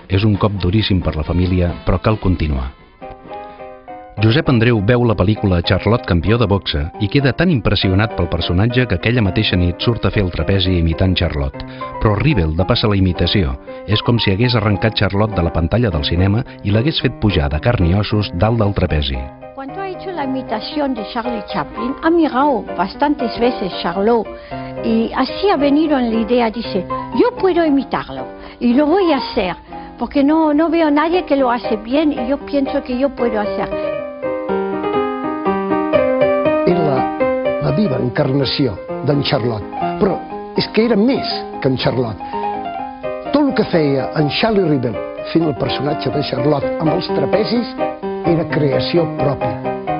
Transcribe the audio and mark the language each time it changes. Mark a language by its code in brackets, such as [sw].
[ca] És un cop duríssim per la família, però cal continuar. Josep Andreu veu la pel·lícula Charlotte, campió de boxa, i queda tan impressionat pel personatge que aquella mateixa nit surt a fer el trapezi imitant Charlotte. Però Rivel depassa la imitació. És com si hagués arrencat Charlotte de la pantalla del cinema i l'hagués fet pujar de carn i ossos dalt del trapezi. [es] Quan ha hecho la imitación de Charlie Chaplin, ha mirado bastantes veces Charlotte y así ha venido la idea, dice, yo puedo imitarlo y lo voy a hacer, porque no veo nadie que lo hace bien y yo pienso que yo puedo hacer. [ca] Era la viva encarnació d'en Charlotte, però és que era més que en Charlotte. Tot el que feia en Charlie Rivel fent el personatge de Charlotte amb els trapezis era creació pròpia.